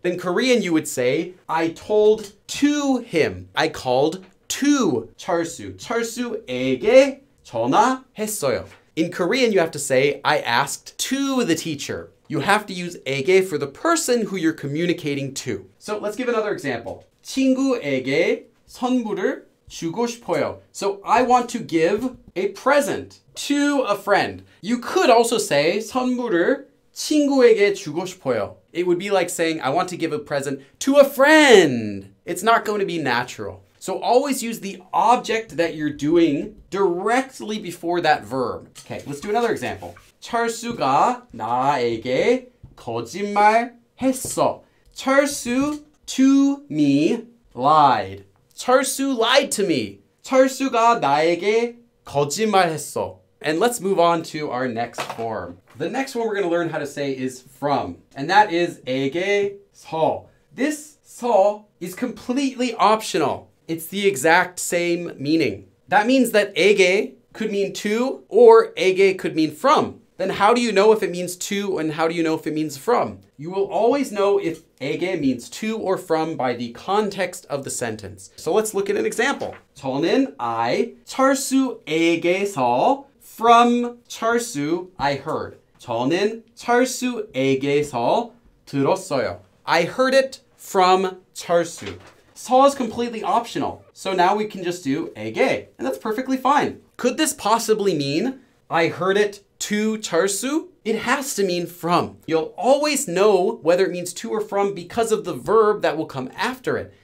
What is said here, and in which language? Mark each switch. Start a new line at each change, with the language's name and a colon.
English: In Korean, you would say, I told to him. I called to 철수.
Korean: 철수에게 전화했어요.
English: In Korean, you have to say, I asked to the teacher. You have to use 에게 for the person who you're communicating to. So let's give another example.
Korean: 친구에게 선물을 주고 싶어요.
English: So I want to give a present to a friend. You could also say
Korean: 선물을 친구에게 주고 싶어요.
English: It would be like saying I want to give a present to a friend. It's not going to be natural. So always use the object that you're doing directly before that verb. Okay, let's do another example.
Korean: 철수가 나에게 거짓말 했어.
English: 철수 to me lied. 철수 lied to me.
Korean: 철수가 나에게 거짓말 했어.
English: And let's move on to our next form. The next one we're going to learn how to say is from. And that is 에게 서. This 서 is completely optional. It's the exact same meaning. That means that 에게 could mean to or 에게 could mean from. Then how do you know if it means to and how do you know if it means from? You will always know if 에게 means to or from by the context of the sentence. So let's look at an example. 저는 I
Korean: 철수에게서
English: from 철수 I heard.
Korean: 저는 철수에게서 들었어요.
English: I heard it from 철수. 서 is completely optional. So now we can just do 에게 and that's perfectly fine. Could this possibly mean I heard it to 철수? It has to mean from. You'll always know whether it means to or from because of the verb that will come after it.